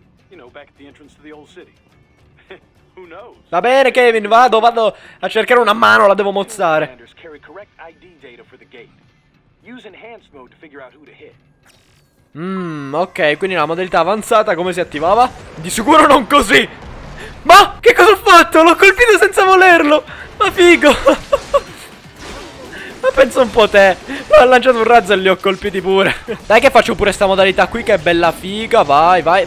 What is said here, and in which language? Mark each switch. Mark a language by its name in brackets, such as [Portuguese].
[English] You know, back at the entrance to the old city. Who knows? [Italian] Va bene, Kevin, vado, vado a cercare una mano, la devo mozzare. [English] Carry correct ID data for the gate. Use enhanced mode to figure out who to hit. [Italian] Ok, quindi la modalità avanzata come si attivava? Di sicuro non così. Ma che cosa ho fatto? L'ho colpito senza volerlo. Ma figo. Ma penso un po' a te. Ho lanciato un razzo e li ho colpiti pure. Dai che faccio pure sta modalità qui, che è bella figa. Vai, vai.